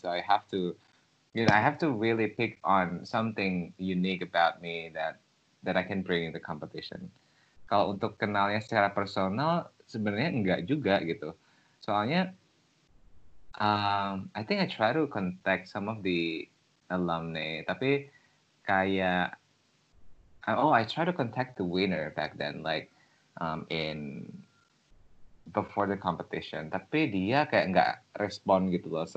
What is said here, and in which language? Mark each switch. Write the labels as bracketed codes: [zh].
[en] So I have to really pick on something unique about me that I can bring in the competition. [id] Kalau untuk kenalnya secara personal sebenarnya enggak juga gitu. Soalnya [en] I think I try to contact some of the alumni, [id] tapi kayak [en] I try to contact the winner back then like in before the competition, [id] tapi dia kayak nggak respon gitu loh.